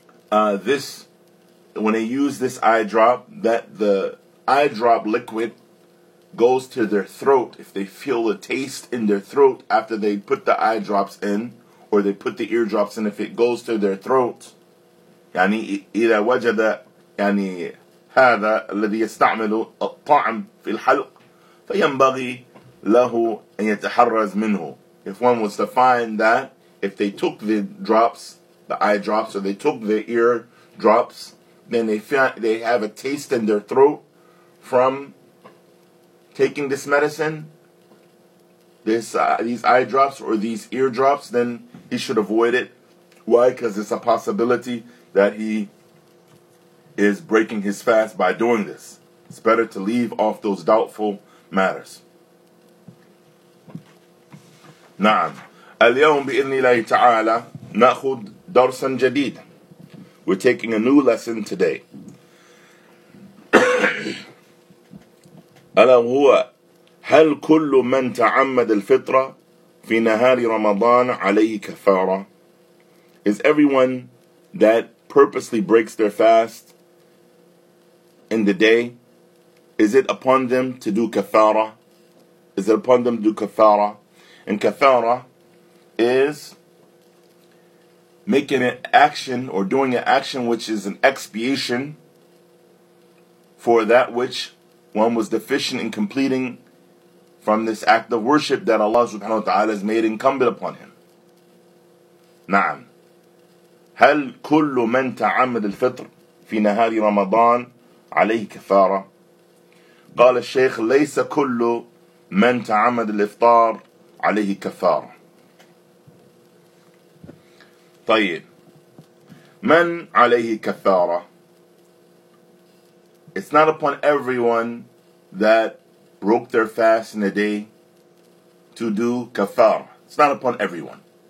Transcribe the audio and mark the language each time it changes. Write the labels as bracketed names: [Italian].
[English] When they use this eye drop, that the eye drop liquid goes to their throat. If they feel a taste in their throat after they put the eye drops in, or they put the ear drops in, if it goes to their throat, [Arabic] يعني إذا وجد يعني هذا الذي يستعمل الطعم في الحلق فينبغي له أن يتحرز منه. [English] If one was to find that if they took the drops, the eye drops, or they took the ear drops, then they have a taste in their throat from taking this medicine, these eye drops or these ear drops, then he should avoid it. Why? Because it's a possibility that he is breaking his fast by doing this. It's better to leave off those doubtful matters. [Arabic] نعم. اليوم بإذن الله تعالى نأخذ درسا جديدا. [English] We're taking a new lesson today. [Arabic] ألا هو هل كل من تعمد الفطرة في نهار رمضان عليه كفارة؟ [English] Is everyone that purposely breaks their fast in the day, is it upon them to do kafara? Is it upon them to do kafara? And kafara is making an action or doing an action which is an expiation for that which one was deficient in completing from this act of worship that Allah subhanahu wa ta'ala has made incumbent upon him. [Arabic] Na'am. هل كل من تعمد الفطر في نهار رمضان عليه كفارة؟ قال الشيخ ليس كل من تعمد الإفطار عليه كفارة. طيب من عليه كفارة؟ [English] It's not upon everyone that broke their fast in a day to do كفارة. It's not upon everyone.